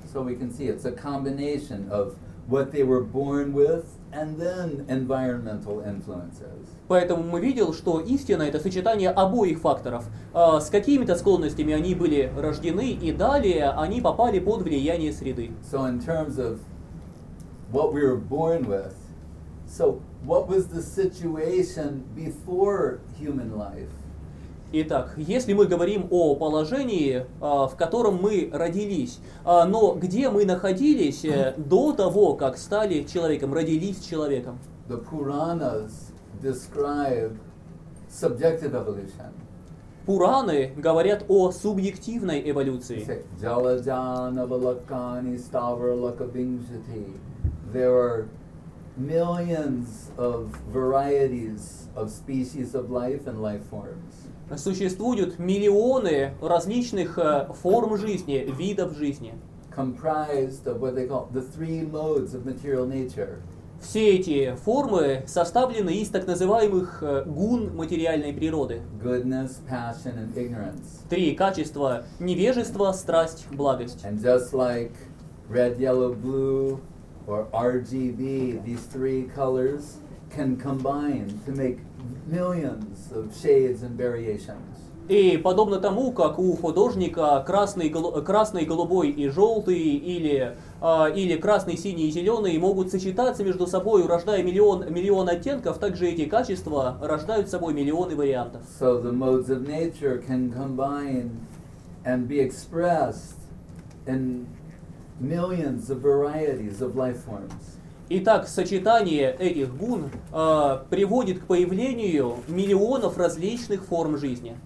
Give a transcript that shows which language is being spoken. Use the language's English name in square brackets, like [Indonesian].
[English] So we can see it's a combination of what they were born with and then environmental influences. [Russian] Поэтому мы видим, что истина — это сочетание обоих факторов. С какими-то склонностями они были рождены, и далее они попали под влияние среды. [English] So in terms of what we were born with, So what was the situation before human life? [Russian] Итак, если мы говорим о положении, в котором мы родились, но где мы находились до того, как стали человеком, родились человеком? [English] The Puranas describe subjective evolution. [Russian] Пураны говорят о субъективной эволюции. [English] There are millions of varieties of species of life and life forms. [Russian] Существуют миллионы различных форм жизни, видов жизни. [English] Comprised of what they call the three modes of material nature. [Russian] Все эти формы составлены из так называемых гун материальной природы. [English] Goodness, passion, and ignorance. [Russian] Три качества – невежество, страсть, благость. [English] And just like red, yellow, blue, or RGB, these three colors can combine to make millions of shades and variations. [Russian] И подобно тому, как у художника красный, голубой и желтый, или красный, синий и зеленый могут сочетаться между собой, рождая миллион оттенков, также эти качества рождают собой миллионы вариантов. [English] So the modes of nature can combine and be expressed in millions of varieties of life forms. [Russian] Итак, сочетание этих гун приводит к появлению миллионов различных форм жизни.